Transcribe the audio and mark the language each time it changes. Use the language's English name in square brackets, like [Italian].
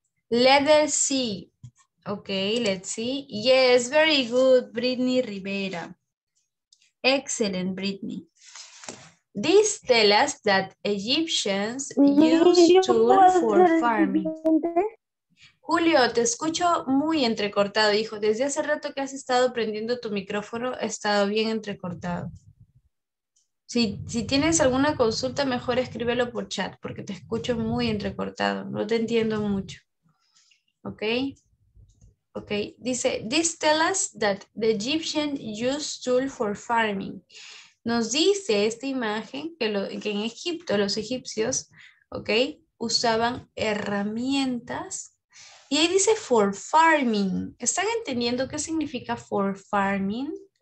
[English] Letter C. Okay, let's see. Yes, very good, Britney Rivera. Excellent, Britney. This tells us that Egyptians use tools for farming. [Spanish] Julio, te escucho muy entrecortado, hijo. Desde hace rato que has estado prendiendo tu micrófono, he estado bien entrecortado. Si tienes alguna consulta, mejor escríbelo por chat, porque te escucho muy entrecortado. No te entiendo mucho. ¿Ok? Ok. [English] Dice, this tells us that the Egyptian used tool for farming. [Spanish] Nos dice esta imagen que en Egipto, los egipcios, ¿ok? Usaban herramientas. Y ahí dice for farming. ¿Están entendiendo qué significa for farming?